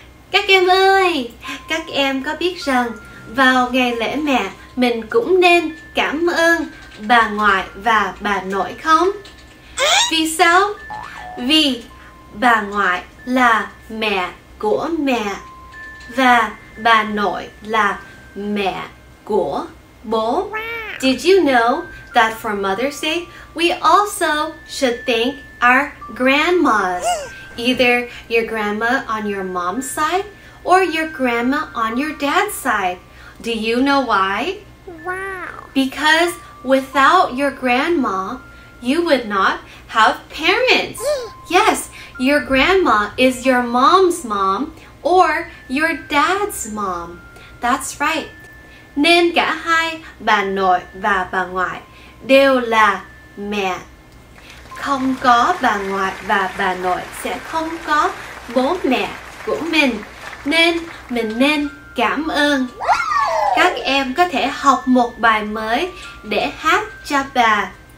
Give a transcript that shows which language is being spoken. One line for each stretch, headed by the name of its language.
Vietnamese: Các em ơi, các em có biết rằng vào ngày lễ mẹ mình cũng nên cảm ơn bà ngoại và bà nội không? Vì sao? Vì bà ngoại là mẹ của mẹ và bà nội là mẹ của bố.
English: Did you know that for Mother's Day, we also should thank our grandmas? Either your grandma on your mom's side or your grandma on your dad's side. Do you know why? Wow. Because without your grandma, you would not have parents. Yes, your grandma is your mom's mom or your dad's mom. That's right.
Vietnamese: Nên cả hai bà nội và bà ngoại đều là mẹ. Không có bà ngoại và bà nội sẽ không có bố mẹ của mình. Nên mình nên cảm ơn. Các em có thể học một bài mới để hát cho bà.